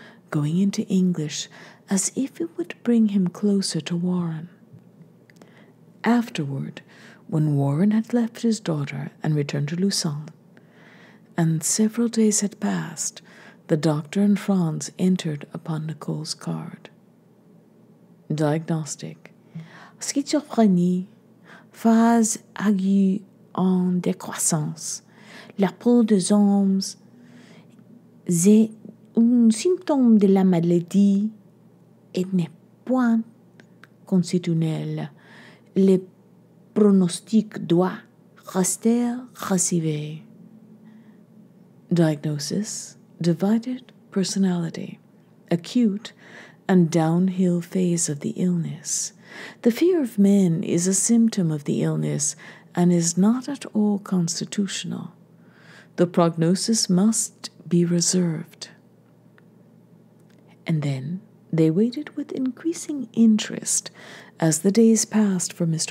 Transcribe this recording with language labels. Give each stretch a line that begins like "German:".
English: going into English as if it would bring him closer to Warren. Afterward, when Warren had left his daughter and returned to Lausanne, and several days had passed, the doctor and Franz entered upon Nicole's card.
French: "Diagnostic. Schizophrénie. Phase aiguë en décroissance. La peau des hommes. C'est un symptôme de la maladie. Et n'est point constitutionnel. Le pronostic doit rester réservé."
English: "Diagnosis, divided personality, acute and downhill phase of the illness. The fear of men is a symptom of the illness and is not at all constitutional. The prognosis must be reserved." And then they waited with increasing interest as the days passed for Mr.